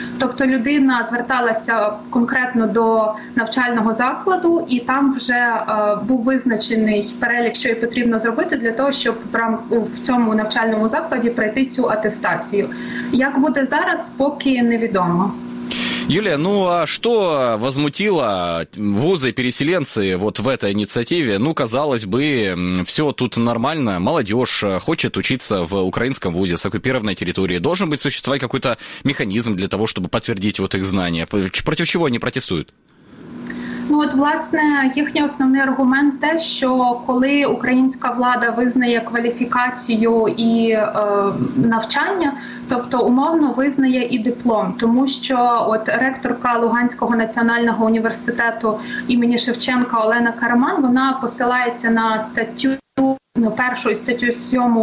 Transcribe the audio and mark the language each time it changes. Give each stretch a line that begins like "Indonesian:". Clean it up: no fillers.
Ukrainian: Тобто людина зверталася конкретно до навчального закладу, і там вже був визначений перелік, що їй потрібно зробити для того, щоб в цьому навчальному закладі пройти цю атестацію. Як буде зараз, поки невідомо.
Russian: Юлия, ну а что возмутило вузы-переселенцы вот в этой инициативе? Ну, казалось бы, все тут нормально. Молодежь хочет учиться в украинском вузе с оккупированной территории. Должен быть существовать какой-то механизм для того, чтобы подтвердить вот их знания. Против чего они протестуют?
Ukrainian: Ну, от, власне, їхній основний аргумент те, що коли українська влада визнає кваліфікацію і навчання, тобто умовно визнає і диплом, тому що от ректорка Луганського національного університету імені Шевченка Олена Караман, вона посилається на статтю, ну, першу статтю 7